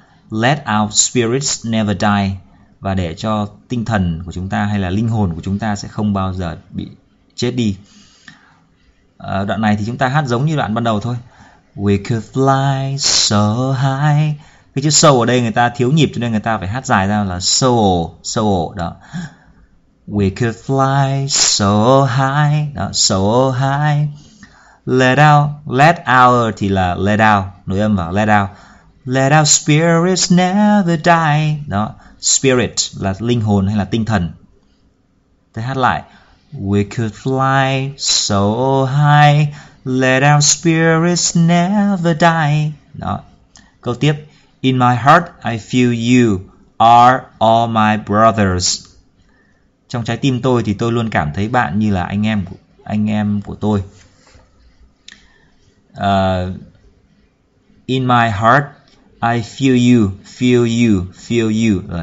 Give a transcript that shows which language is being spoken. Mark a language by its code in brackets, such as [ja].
[en] Let our spirits never die, [vi] và để cho tinh thần của chúng ta hay là linh hồn của chúng ta sẽ không bao giờ bị chết đi. Đoạn này thì chúng ta hát giống như đoạn ban đầu thôi. [en] We could fly so high. [vi] Cái chữ so ở đây người ta thiếu nhịp cho nên người ta phải hát dài ra là so, so đó. [en] We could fly so high, đó, so high. Let out, let our [vi] thì là [en] let out, [vi] nối âm vào [en] let out. Let our spirits never die, [vi] đó, spirit là linh hồn hay là tinh thần. Thế hát lại. [en] We could fly so high, let our spirits never die, đó. [vi] Câu tiếp. [en] In my heart I feel you are all my brothers. [vi] Trong trái tim tôi thì tôi luôn cảm thấy bạn như là anh em của tôi. [en] In my heart, I feel you, feel you, feel you.